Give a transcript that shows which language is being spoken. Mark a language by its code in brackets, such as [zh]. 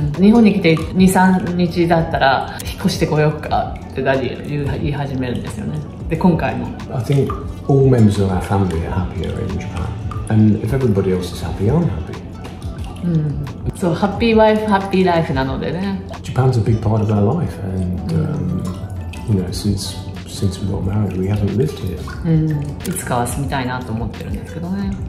[ja] 日本に来て 2-3 日だったら引っ越してこようかってダディ言い始めるんですよね。で、今回も。 [en] I think all members of our family are happier in Japan. And if everybody else is happy, I'm happy. So, happy wife, happy life [ja] なのでね。 [en] Japan's a big part of our life. And, you know, since we got married, we haven't lived here. [ja] いつかは住みたいなと思ってるんですけどね。